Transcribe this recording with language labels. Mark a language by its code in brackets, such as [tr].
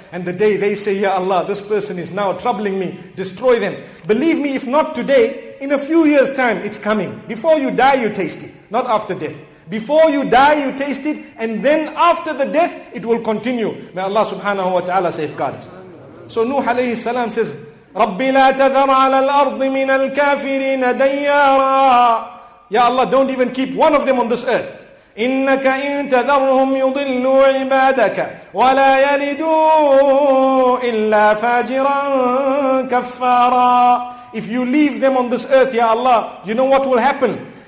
[en] And the day they say, Ya Allah, this person is now troubling me, destroy them. Believe me, if not today, in a few years' time, it's coming. Before you die, you taste it. Not after death. Before you die, you taste it. And then after the death, it will continue. May Allah subhanahu wa ta'ala safeguard us. So Nuh alayhi salam says, [ar] رَبِّ لَا تَذَرْ عَلَى الْأَرْضِ مِنَ الْكَافِرِينَ دَيَّارًا. [en] Ya Allah, don't even keep one of them on this earth. [ar] إِنَّكَ إِن تَذَرْهُمْ يُضِلُّوا عِبَادَكَ وَلَا يَلِدُوا إِلَّا فَاجِرًا كَفَّارًا. [en] If you leave them on this earth, Ya Allah, you know what will happen?